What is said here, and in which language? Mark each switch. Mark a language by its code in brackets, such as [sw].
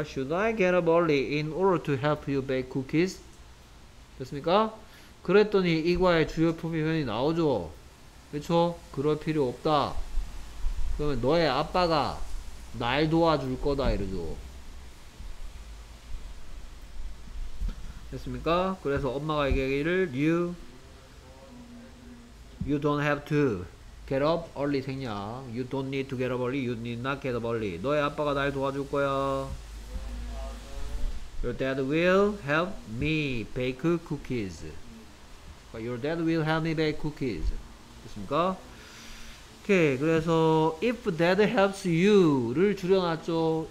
[en] Should I get up early in order to help you bake cookies? [ko] 됐습니까? 그랬더니 이과의 주요 표현이 나오죠. 그쵸? 그럴 필요 없다. 그러면 너의 아빠가 날 도와줄 거다 이러죠. 됐습니까? 그래서 엄마가 얘기하기를 [en] You don't have to get up early [ko] 생략. [en] You don't need to get up early. You need not get up early. [ko] 너의 아빠가 날 도와줄 거야. [en] Your dad will help me bake cookies. Your dad will help me bake cookies. [ko] 됐습니까? 오케이. 그래서 [en] if dad helps you [ko] 를 줄여놨죠.